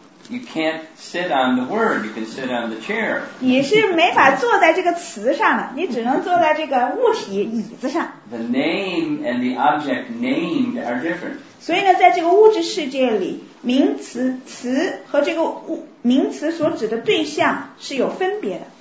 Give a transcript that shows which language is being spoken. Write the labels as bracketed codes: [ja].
[en] You can't sit on the word, you can sit on the chair. [zh] 你是没法坐在这个词上了，你只能坐在这个物体椅子上。 [en] The name and the object named are different. [zh] 所以呢，在这个物质世界里，名词和这个名词所指的对象是有分别的。